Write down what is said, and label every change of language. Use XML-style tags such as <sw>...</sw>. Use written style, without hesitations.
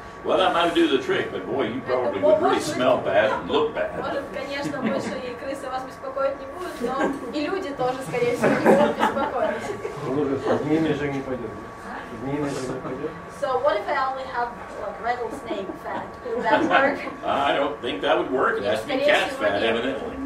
<en>Well, that might do the trick, but boy, you probably would really smell bad and look bad.</en> <ru>Может, конечно, мыши и крысы вас беспокоить не будут, но и люди тоже, скорее всего, не будут беспокоить. Ну, змеи же не пойдет.</ru> <en>So, what if I only have like rattlesnake fat? Would that work? I don't think that would work. It has to be cat fat, evidently.</en>